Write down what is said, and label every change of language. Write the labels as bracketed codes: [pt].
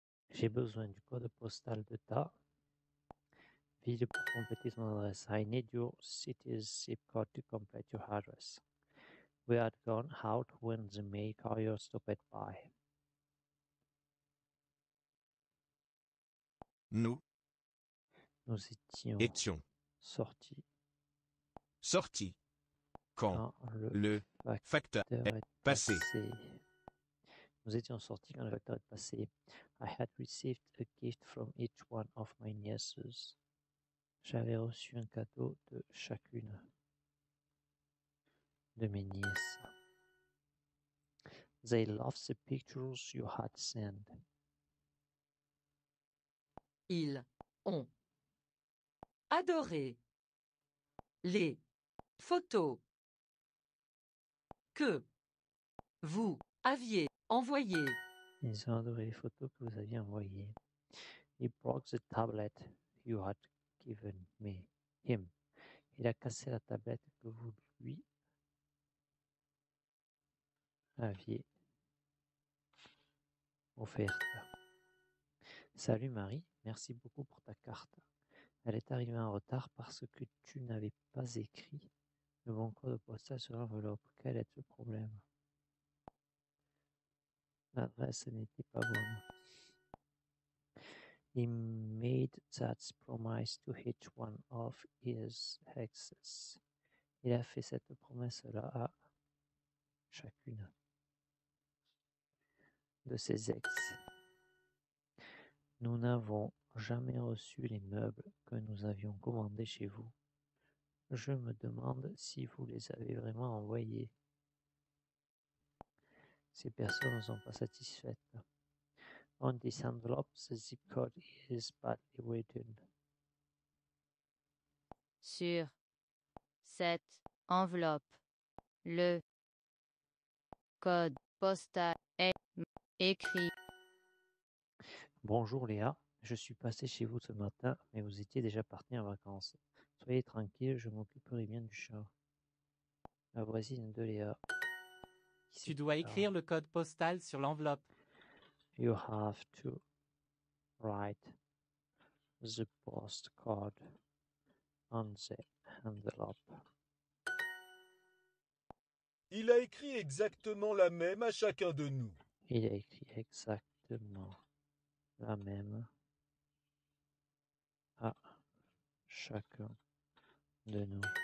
[fr] J'ai besoin du code postal de ta ville pour compléter son adresse. [en] I need your city's zip code to complete your address. We had gone out when the mail carrier stopped by. [fr] Nous étions sortis quand le facteur est passé. Nous étions sortis quand le facteur est passé. [en] I had received a gift from each one of my nieces. [fr] J'avais reçu un cadeau de chacune de mes nièces. [en] They loved the pictures you had sent. [fr] Ils ont adoré les photos que vous aviez envoyées. Ils ont adoré les photos que vous aviez envoyées. [en] He broke the tablet you had given me. Him. [fr] Il a cassé la tablette que vous lui aviez offerte. Salut Marie, merci beaucoup pour ta carte. Elle est arrivée en retard parce que tu n'avais pas écrit le bon code postal sur l'enveloppe. Quel est le problème? L'adresse n'était pas bonne. [en] He made that promise to each one of his exes. [fr] Il a fait cette promesse-là à chacune de ses ex. Nous n'avons jamais reçu les meubles que nous avions commandés chez vous. Je me demande si vous les avez vraiment envoyés. Ces personnes ne sont pas satisfaites. [en] On this envelope, the zip code is badly written. [fr] Sur cette enveloppe, le code postal est écrit. Bonjour Léa, je suis passé chez vous ce matin, mais vous étiez déjà parti en vacances. Soyez tranquille, je m'occuperai bien du chat. La voisine de Léa. Tu dois écrire le code postal sur l'enveloppe. [en] You have to write the postcode on the envelope. [fr] Il a écrit exactement la même à chacun de nous. Il a écrit exactement la même à chacun de nous.